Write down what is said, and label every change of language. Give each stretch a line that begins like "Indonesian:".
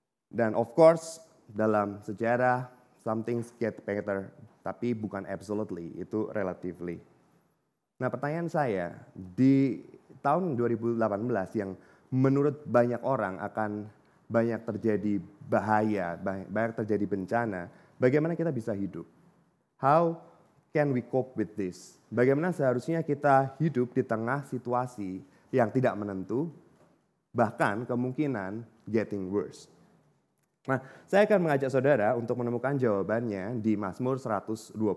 Indonesian: Dan
English: of course,
Indonesian: dalam sejarah,
English: some things get better,
Indonesian: tapi bukan
English: absolutely,
Indonesian: itu
English: relatively.
Indonesian: Nah, pertanyaan saya, di tahun 2018 yang menurut banyak orang akan banyak terjadi bahaya, banyak terjadi bencana, bagaimana kita bisa hidup?
English: How can we cope with this?
Indonesian: Bagaimana seharusnya kita hidup di tengah situasi yang tidak menentu, bahkan kemungkinan
English: getting worse.
Indonesian: Nah, saya akan mengajak saudara untuk menemukan jawabannya di Mazmur 121.